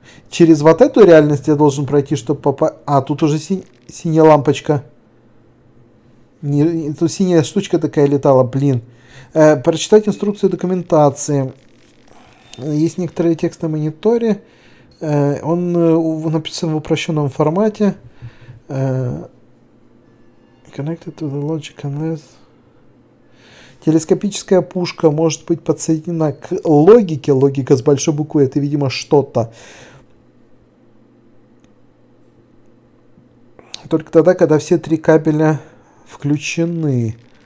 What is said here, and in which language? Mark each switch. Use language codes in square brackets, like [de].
[ru] Через вот эту реальность я должен пройти, чтобы попасть... А, тут уже синяя лампочка. Тут синяя штучка такая летала, блин. Прочитать инструкцию документации. Есть некоторые тексты на мониторе. Он написан в упрощенном формате. [en] Connected to the logic unless... [ru] Телескопическая пушка может быть подсоединена к логике. Логика с большой буквы. Это, видимо, что-то. Только тогда, когда все три кабеля включены.